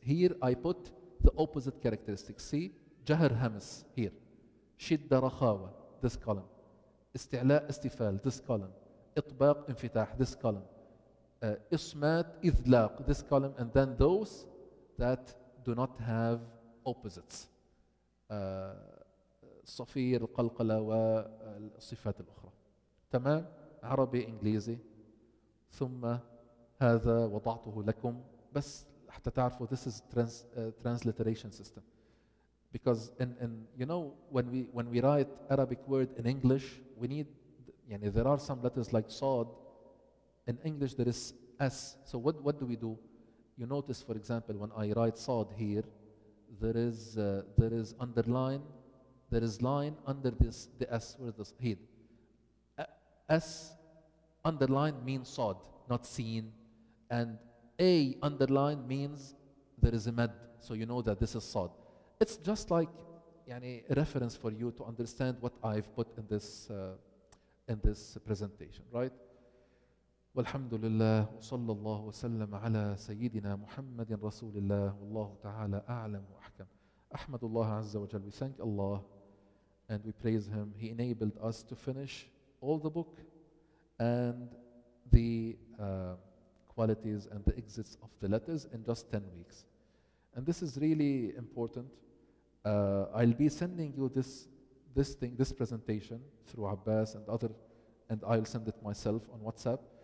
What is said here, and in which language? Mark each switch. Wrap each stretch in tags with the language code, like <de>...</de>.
<en>Here I put the opposite characteristics. See, جهر همس here.</en> <ar>شدة رخاوة,</ar> <en>this column.</en> <ar>استعلاء استفال, this column. إطباق انفتاح,</ar> <en>this column.</en> <ar>إصمات إذلاق, this column.</ar> <en>And then those that do not have opposites.</en> <ar>صفير, القلقلة والصفات الأخرى. تمام؟ عربي إنجليزي. ثم هذا وضعته لكم بس حتى تعرفوا</ar> <en>this is transliteration system. Because in you know when we write Arabic word in English we need يعني there are some letters like صاد in English there is s so what do we do you notice for example when I write صاد here there is underline there is line under this the s where this head s underline means صاد not seen and a underline means there is a mad so you know that this is صاد. It's just like يعني, a reference for you to understand what I've put in this presentation, right?</en> <ar>والحمد لله وصلى الله وسلم على سيدنا محمد رسول الله والله تعالى أعلم وأحكم. أحمد الله عز وجل.</ar> <en>We thank Allah and we praise Him. He enabled us to finish all the book and the qualities and the exits of the letters in just 10 weeks. And this is really important. I'll be sending you this presentation through Abbas and other, and I'll send it myself on WhatsApp.</en>